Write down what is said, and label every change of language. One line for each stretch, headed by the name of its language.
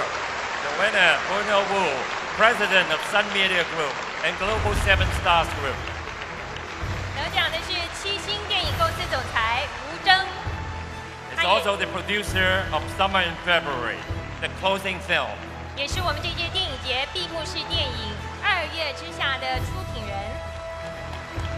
English: The winner, Bruno Wu, President of Sun Media Group and Global Seven Stars Group.
Chinese: 得奖的是七星电影公司总裁吴峥。
English: It's also the producer of Summer in February, the closing film.
Chinese: 也是我们这届电影节闭幕式电影二月之下的出品人。